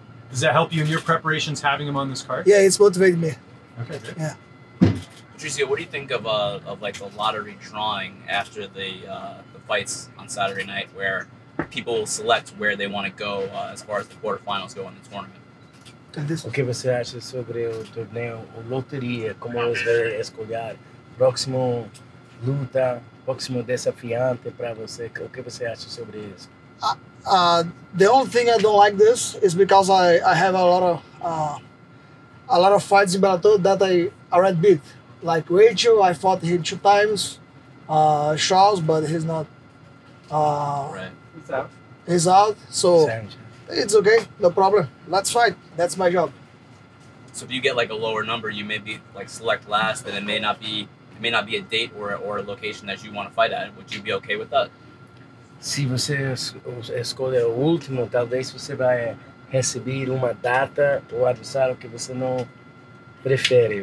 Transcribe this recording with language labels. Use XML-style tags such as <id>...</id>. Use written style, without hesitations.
<en>Does that help you in your preparations having him on this card? Yeah, it's motivated me. Okay, good. Yeah. Patricio, what do you think of the lottery drawing after the fights on Saturday night where people select where they want to go as far as the quarterfinals go in the tournament?</en> <es>¿Qué vas a hacer sobre el torneo o lotería? ¿Cómo vas a escoger próximo luta, próximo desafiante</es> <pt>para você?</pt> <es>¿Qué vas a hacer sobre eso?</es> <en>The only thing I don't like this is because I have a lot of fights in Bellator that I already beat. Like Rachel, I fought him 2 times. Charles, but he's not. Right. He's out. He's out, so it's okay, no problem. Let's fight. That's my job. So if you get like a lower number, you may be like select last, and it may not be a date or a location that you want to fight at. Would you be okay with that?</en> <pt>Se você escolher o último, talvez você vai receber uma data ou adversário que você não prefere.</pt>